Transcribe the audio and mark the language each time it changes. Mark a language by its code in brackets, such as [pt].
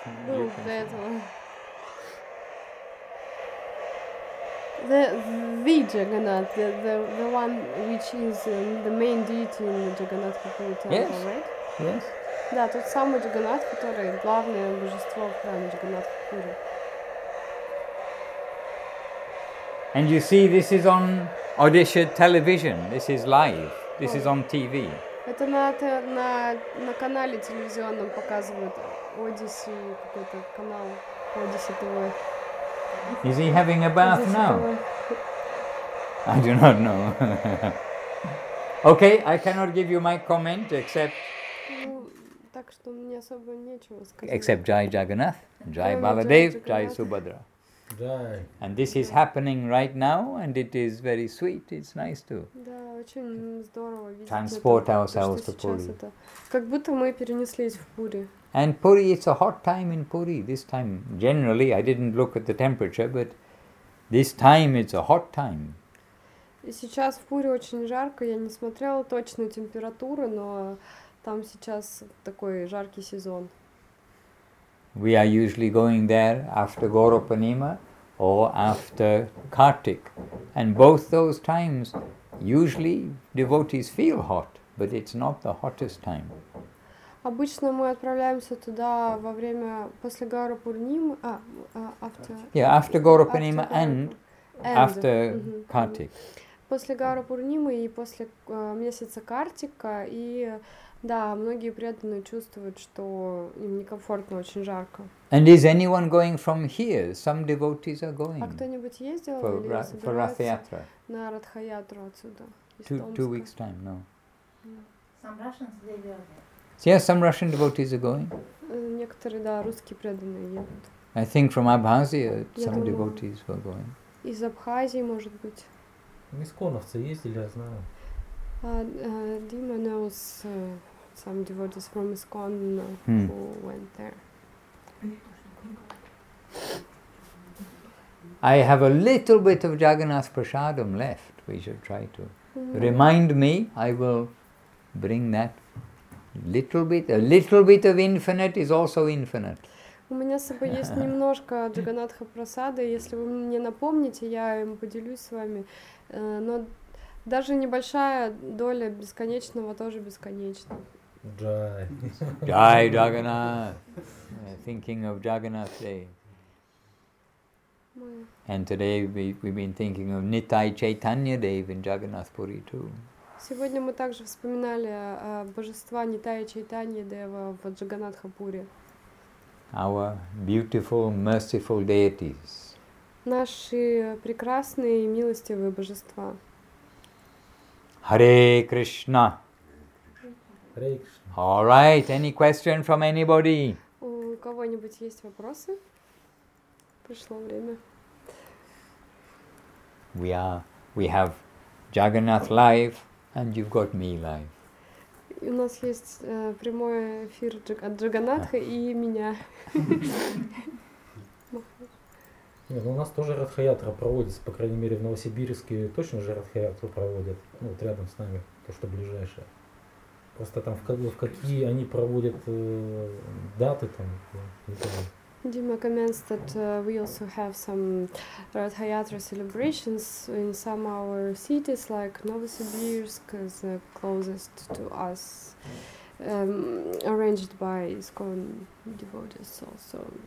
[en] The Jagannath, the one which is the main deity in the Jagannath temple, yes. Right? Yes. [ru] Да, тот самый Джаганнат, который главное божество в храме Джаганнат Пури. [en] And you see, this is on Odisha television. This is live. This is on TV. [ru] Это на канале телевизионном показывают Odissi, какой-то канал Odissi TV. [en] Is he having a bath now? I do not know. Okay, I cannot give you my comment except. [ru] Так что мне особо нечего сказать. [en] Except Jai Jagannath, Jai Baladev, Jai Subhadra. [hi] Jai. [en] And this is happening right now, and it is very sweet. It's nice to. [ru] Да, очень здорово видеть. [en] Transport ourselves to Puri. [ru] Как будто мы перенеслись в Пури. [en] And Puri, it's a hot time in Puri. This time, generally, I didn't look at the temperature, but this time it's a hot time. [ru] И сейчас в Пури очень жарко. Я не смотрела точную температуру, но там сейчас такой жаркий сезон. [en] We are usually going there after Gauropanima or after Kartik. And both those times, usually devotees feel hot, but it's not the hottest time. [ru] Обычно мы отправляемся туда во время после Гаурапурнимы, [en] after. Yeah, after Гаурапурнима and after Картик. [ru] После Гаурапурнимы и после месяца Картика, и да, многие преданные чувствуют, что им некомфортно, очень жарко. [en] And is anyone going from here? Some devotees are going. [ru] А кто-нибудь ездил или собирается на Радхаятру отсюда? [en] Two weeks time, no. Some Russians they go there. Yes, some Russian devotees are going. [ru] Некоторые, да, русские преданные едут. [en] I think from Abkhazia some devotees were going. [ru] Из Абхазии, может быть. Мисконовцы ездили, я знаю. [en] Dima knows some devotees from Iskon who went there. I have a little bit of Jagannath Prasadam left. We should try to remind me. I will bring that. A little bit of infinite is also infinite. [ru] У меня с собой есть немножко Джаганнатха Прасада, если вы мне напомните, я им поделюсь с вами. Но даже небольшая доля бесконечного тоже бесконечна. [hi] Jai. [en] Jai Jagannath. Thinking of Jagannath Day. And today we've been thinking of Nitai Chaitanya Dev in Jagannath Puri too. [ru] Сегодня мы также вспоминали божества Нитая Чайтанья Дева в Джаганатхапуре. [en] Our beautiful, merciful deities. [ru] Наши прекрасные и милостивые божества. [hi] Hare Krishna. Hare Krishna. [en] All right, any question from anybody? [ru] У кого-нибудь есть вопросы? Пришло время. [en] We have Jagannath live. And you've got me live. [ru] У нас есть прямой эфир от Джаганнатха и меня. Нет, ну у нас тоже Радхаятра проводится, по крайней мере, в Новосибирске точно же Радхаятру проводят. Ну, вот рядом с нами, то, что ближайшее. Просто там в какие они проводят даты там, не знаю. [en] Dima comments that we also have some Radhayatra celebrations in some of our cities, like Novosibirsk is the closest to us, arranged by ISKCON devotees also.